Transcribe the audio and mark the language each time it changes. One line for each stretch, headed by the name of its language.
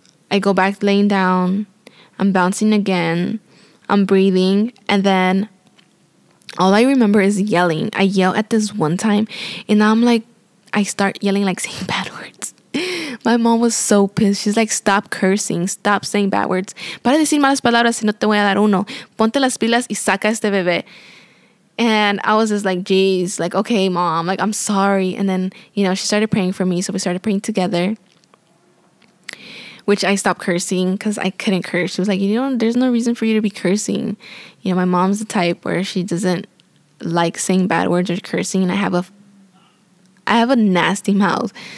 English: I go back laying down. I'm bouncing again. I'm breathing. And then all I remember is yelling. I yell at this one time. And I'm like, I start yelling like saying bad words. My mom was so pissed. She's like, stop cursing. Stop saying bad words.
Spanish: Para decir malas palabras si no te voy a dar uno. Ponte las pilas y saca este bebé.
English: And I was just like, geez, like, okay, mom, like, I'm sorry. And then, you know, she started praying for me. So we started praying together, which I stopped cursing because I couldn't curse. She was like, you know, there's no reason for you to be cursing. You know, my mom's the type where she doesn't like saying bad words or cursing. And I have a nasty mouth.